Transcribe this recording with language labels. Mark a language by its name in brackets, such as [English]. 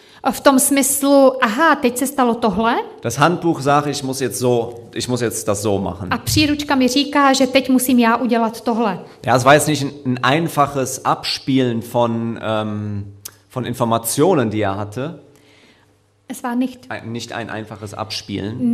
[Czech] V tom smyslu, aha, teď se stalo tohle. [German] Das Handbuch sagt, ich muss jetzt das so machen. [Czech] A příručka mi říká, že teď musím já udělat tohle. [German] Ja, es war jetzt nicht ein einfaches Abspielen von Informationen, die er hatte. Es war nicht. Nicht ein einfaches Abspielen.